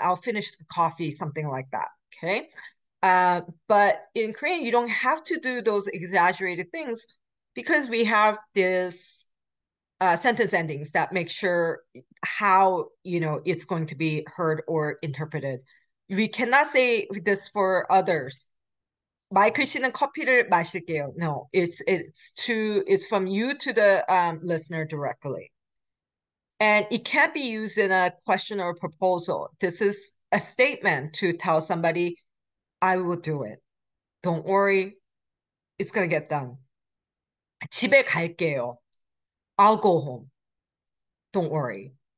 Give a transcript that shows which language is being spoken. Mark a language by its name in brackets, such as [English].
[English] I'll finish the coffee, something like that. Okay. But in Korean, you don't have to do those exaggerated things because we have this sentence endings that make sure how it's going to be heard or interpreted. We cannot say this for others. [Korean] 마이클 씨는 커피를 마실게요. [English] No, it's from you to the listener directly. And it can't be used in a question or a proposal. This is a statement to tell somebody, I will do it. Don't worry, it's gonna get done. [Korean] 집에 갈게요. [English] I'll go home. Don't worry.